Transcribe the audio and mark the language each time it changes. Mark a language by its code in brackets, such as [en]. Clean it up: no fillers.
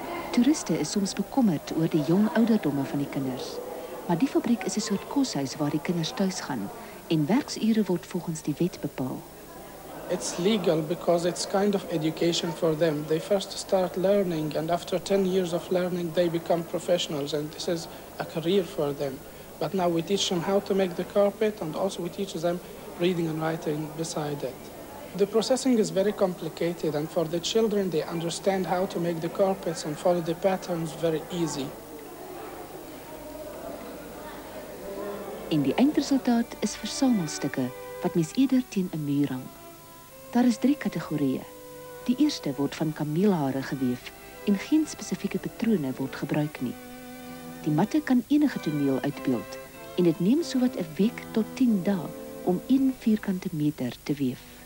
[af] Toeriste is soms bekommerd oor die jong ouderdomme van die kinders. Maar die fabriek is 'n soort koshuis waar die kinders tuis gaan en werksure word volgens die wet bepaal. [en] It's legal because it's kind of education for them. They first start learning and after 10 years of learning they become professionals and this is a career for them. But now we teach them how to make the carpet and also we teach them reading and writing beside it. The processing is very complicated and for the children they understand how to make the carpets and follow the patterns very easy. [af] En die eindresultaat is versamelstukke wat mens eerder teen 'n muur hang. Daar is drie kategorieë. Die eerste word van kameelhare geweef en geen spesifieke patrone word gebruik nie. Die matte kan enige toneel uitbeeld en dit neem sowat 'n week tot 10 dae om 1 vierkante meter te weef.